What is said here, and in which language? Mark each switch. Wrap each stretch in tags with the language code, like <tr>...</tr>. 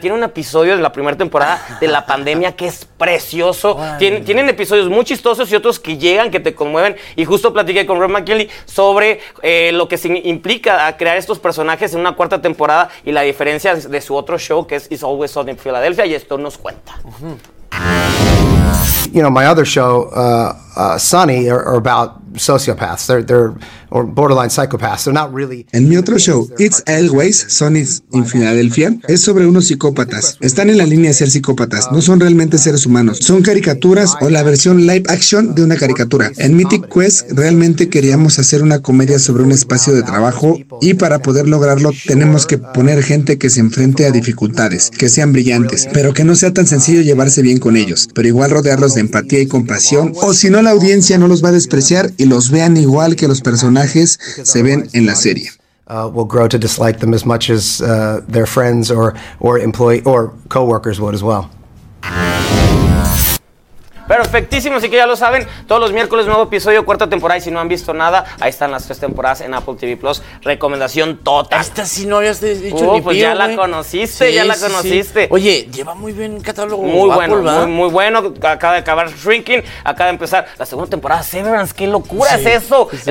<es>Tiene un episodio de la primera temporada de la pandemia que es precioso. Tienen episodios muy chistosos y otros que llegan, que te conmueven. Y justo platiqué con Rob McGilley sobre lo que implica a crear estos personajes en una cuarta temporada, y la diferencia de su otro show, que es It's Always Sunny in Philadelphia, y esto nos cuenta.</es> <en>You know, my other show, Sunny, are about sociopaths. They're or borderline psychopaths. They're not really.</en> <es>En mi otro show, It's Always Sunny in Philadelphia, es sobre unos psicópatas. Están en la línea de ser psicópatas. No son realmente seres humanos. Son caricaturas o la versión live action de una caricatura. En Mythic Quest realmente queríamos hacer una comedia sobre un espacio de trabajo, y para poder lograrlo tenemos que poner gente que se enfrente a dificultades, que sean brillantes, pero que no sea tan sencillo llevarse bien con ellos, pero igual rodearlos de empatía y compasión, o si no, la audiencia no los va a despreciar y los vean igual que los personajes se ven en la serie.</es> <en>Will grow to dislike them as much as their friends or employee or coworkers would as well.</en> <es>Perfectísimo, así que ya lo saben, todos los miércoles nuevo episodio, cuarta temporada, y si no han visto nada, ahí están las tres temporadas en Apple TV Plus. Recomendación total. Esta sí no habías dicho ni pues pío, ya, la conociste, sí, ya la conociste, ya la conociste. Oye, lleva muy bien el catálogo. Muy bueno, Apple, ¿verdad? Muy bueno, acaba de acabar Shrinking, acaba de empezar la segunda temporada, Severance, qué locura, sí, es eso. Sí.</es>